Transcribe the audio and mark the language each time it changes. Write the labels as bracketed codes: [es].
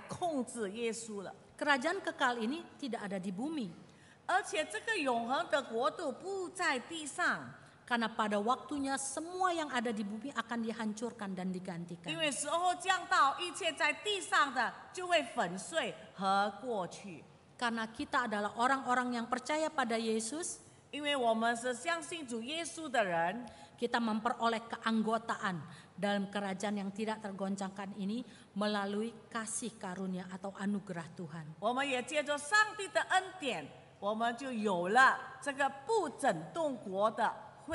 [zh] 那么耶稣的复活就证明了耶稣能够打胜这个死权，这个死亡不能够再控制耶稣了。 [id] Kerajaan kekal ini tidak ada di bumi. [zh] 而且这个永恒的国度不在地上。 [id] Karena pada waktunya semua yang ada di bumi akan dihancurkan dan digantikan. [zh] 因为时候降到，一切在地上的就会粉碎和过去。 [id] Karena kita adalah orang-orang yang percaya pada Yesus. [zh] 因为我们是相信主耶稣的人。 [id] Kita memperoleh keanggotaan dalam kerajaan yang tidak tergoncangkan ini melalui kasih karunia atau anugerah Tuhan. [zh] 我们也借着上帝的恩典，我们就有了这个不整动国的。